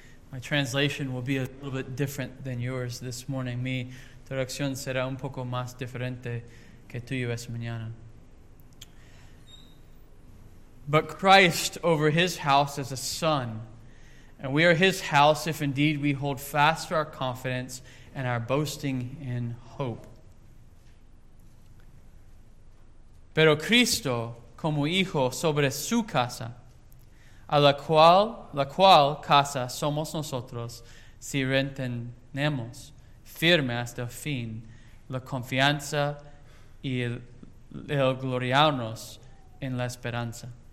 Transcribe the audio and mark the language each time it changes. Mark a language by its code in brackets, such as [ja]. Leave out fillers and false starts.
[en] My translation will be a little bit different than yours this morning. [es] Mi traducción será un poco más diferente que tuyo esta mañana. [en] But Christ over his house is a son, and we are his house if indeed we hold fast to our confidence and our boasting in hope. [es] Pero Cristo como hijo sobre su casa, a la cual casa somos nosotros, si retenemos firme hasta el fin la confianza y el gloriarnos en la esperanza.